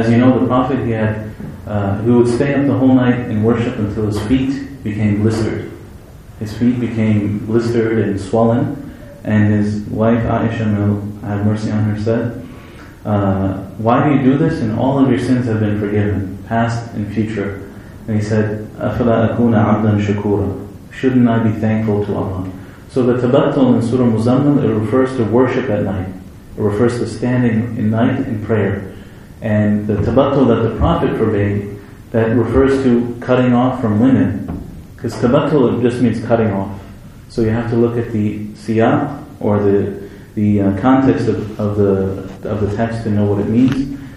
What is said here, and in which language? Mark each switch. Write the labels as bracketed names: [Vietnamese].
[English] As you know, the Prophet, he would stay up the whole night and worship until his feet became blistered. His feet became blistered and swollen. And his wife Aisha, may have mercy on her, said, why do you do this? And all of your sins have been forgiven, past and future. And he said, [Arabic] أَفَلَا أَكُونَ عَبْدًا شَكُورًا. [English] Shouldn't I be thankful to Allah? So the tabattul in Surah Muzammil, it refers to worship at night. It refers to standing in night in prayer. And the tabattul that the Prophet forbade, that refers to cutting off from women. Because tabattul, it just means cutting off. So you have to look at the siyaq or the context of the text to know what it means.